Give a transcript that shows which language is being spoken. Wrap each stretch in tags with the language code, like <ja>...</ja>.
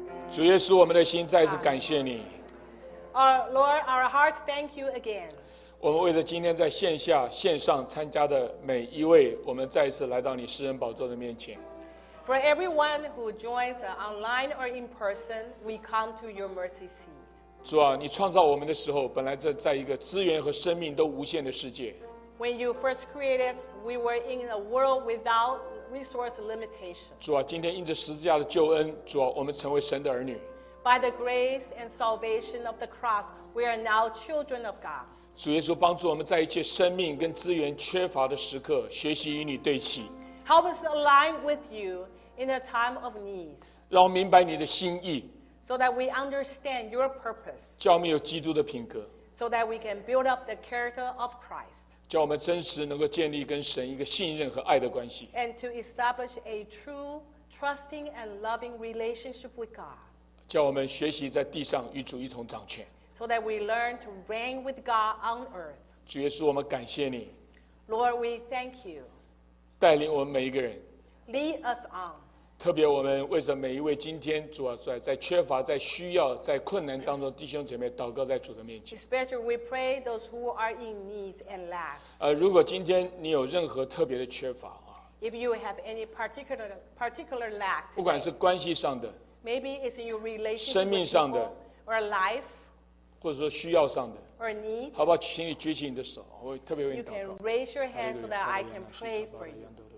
<zh>主耶稣，我们的心再次感谢你。</zh> <en>Lord, our hearts thank you again.</en> <zh>我们为着今天在线下、线上参加的每一位，我们再一次来到你施恩宝座的面前。</zh> <en>For everyone who joins online or in person, we come to your mercy seat.</en> <zh>主啊，你创造我们的时候，本来这在一个资源和生命都无限的世界。</zh> <en>When you first created us, we were in a world without resource limitation.</en> <zh>主啊，今天因着十字架的救恩，主啊，我们成为神的儿女。</zh> <en>By the grace and salvation of the cross, we are now children of God.</en> <zh>主耶稣帮助我们在一切生命跟资源缺乏的时刻，学习与你对齐。</zh> <en>Help us align with you in a time of need.</en> <zh>让我明白你的心意。</zh> <en>So that we understand your purpose.</en> <zh>叫我们有基督的品格。</zh> <en>So that we can build up the character of Christ.</en> <zh>叫我们真实能够建立跟神一个信任和爱的关系。</zh> <en>And to establish a true, trusting and loving relationship with God.</en> <zh>叫我们学习在地上与主一同掌权。</zh> <en>So that we learn to reign with God on earth.</en> <zh>主耶稣，我们感谢你。</zh> <en>Lord, we thank you.</en> <zh>带领我们每一个人</zh> <en>Lead us on.</en> <zh>特别我们为着每一位今天主啊在缺乏在需要在困难当中弟兄姐妹祷告在主的面前</zh> <en>Especially we pray those who are in need and lack.</en> <zh>如果今天你有任何特别的缺乏</zh> <en>If you have any particular lack today,</en> <zh>不管是关系上的</zh> <en>Maybe it's in your relationship</en> <zh>生命上的</zh> <en>Or life</en> <zh>或者说需要上的</zh> <en>Or need,</en> <zh>好不好请你举起你的手我会特别为你祷告</zh> <en>You can raise your hand so that I can pray for you</en>